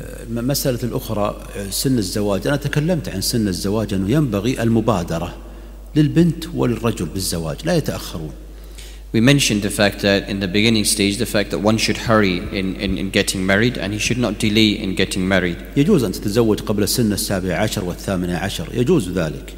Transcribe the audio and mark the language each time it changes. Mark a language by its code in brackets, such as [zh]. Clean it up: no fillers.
[ar] مسألة أخرى سن الزواج، أنا تكلمت عن سن الزواج أنه ينبغي المبادرة للبنت وللرجل بالزواج لا يتأخرون. [en] We mentioned the fact that in the beginning stage, the fact that one should hurry in getting married and he should not delay in getting married. [ar] يجوز أن تتزوج قبل سن السابع عشر والثامن عشر، يجوز ذلك.